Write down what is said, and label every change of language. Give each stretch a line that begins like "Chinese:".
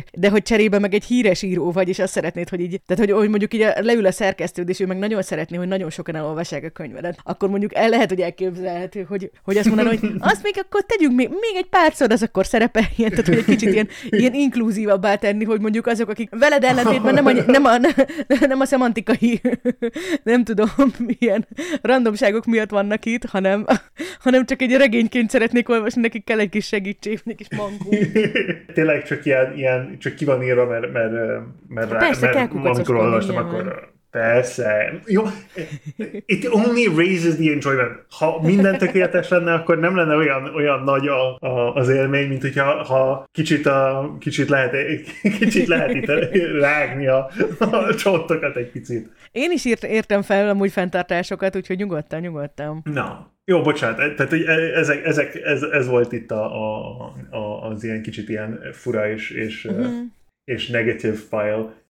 Hungarian: de hogy cserébe meg egy híres író vagy, és azt szeretnéd, hogy így, tehát, hogy mondjuk így leül a szerkesztőd, és ő meg nagyon szeretné, hogy nagyon sokan elolvassák a könyvedet, akkor mondjuk el lehet, hogy elképzelhető, hogy azt mondanom, hogy azt még akkor tegyünk még egy párszor, az akkor szerepel ilyen, tehát, hogy egy kicsit ilyen inkluzívabbá tenni, hogy mondjuk azok, akik veled ellentétben nem a szemantikai, nem tudom, milyen randomságok miatt vannak itt, hanem csak egy regényként szeretnék olvasni, nekik kell egy kis segítség, egy kis mangó. Tényleg csak ilyen, csak ki van írva, mert amikor olvastam, akkor persze.
English: Jó, it only raises the enjoyment.
Hungarian: Ha minden tökéletes lenne, akkor nem lenne olyan nagy az élmény, mint hogyha ha kicsit lehet itt rágni a csontokat egy picit. Én is értem fel amúgy fenntartásokat, úgyhogy nyugodtan. Na, jó, bocsánat, tehát ez volt itt az ilyen kicsit ilyen fura és
English: negative file.